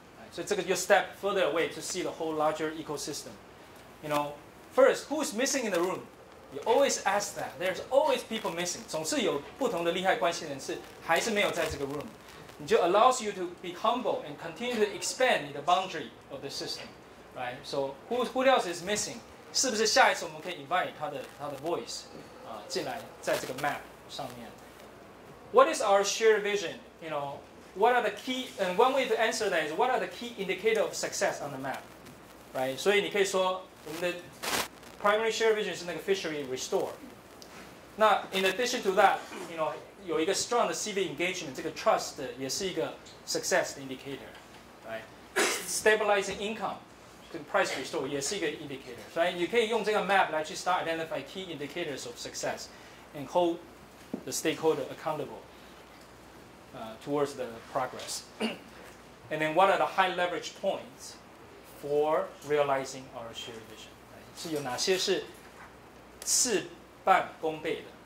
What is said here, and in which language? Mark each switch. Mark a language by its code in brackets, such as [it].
[en] So this is your step further away to see the whole larger ecosystem. You know, first, who's missing in the room? You always ask that. There's always people missing. [zh] 总是有不同的利害关系人士还是没有在这个 room. [en] It just allows you to be humble and continue to expand the boundary of the system, right? So who else is missing? [zh] 是不是下一次我们可以 invite 他的 voice 进来在这个 map 上面？ [en] What is our shared vision? You know. What are the key? And one way to answer that is, what are the key indicator of success on the map, right? So you can say, [zh] "我们的 [en] primary shared vision is [zh] 那个 [en] fishery restore." Now, in addition to that, you know, [zh] 有一个 [en] strong 的 civic engagement, 这个 trust [zh] 也是一个 [en] success indicator, right? Stabilizing income, the price restore [zh] 也是一个 [en] indicator, right? You can [zh] 用这个 [en] map [zh] 来去 [en] start identify key indicators of success, and hold the stakeholder accountable. Towards the progress. And then what are the high leverage points for realizing our shared vision? [zh] 是有哪些是事半功倍的？